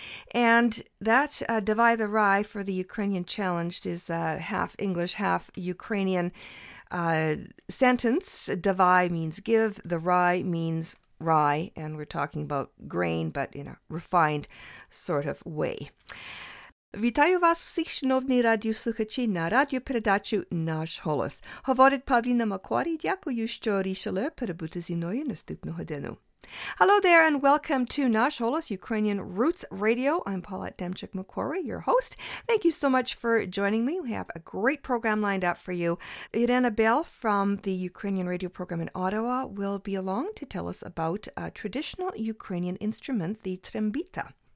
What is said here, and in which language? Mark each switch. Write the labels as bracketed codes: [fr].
[en] And that Davai the Rai for the Ukrainian Challenged is a half English, half Ukrainian sentence. Davai means give, the Rai means Rai, and we're talking about grain, but in a refined sort of way. [uk] Вітаю вас всіх, шановні радіослухачі, на радіопередачу «Наш голос». Говорить Павліна Макварі, дякую, що рішили перебути зі мною наступну годину. [en] Hello there and welcome to Nash Holos Ukrainian Roots Radio. I'm Paulette Demchuk-McQuarrie, your host. Thank you so much for joining me. We have a great program lined up for you. Irena Bell from the Ukrainian radio program in Ottawa will be along to tell us about a traditional Ukrainian instrument, the trembita.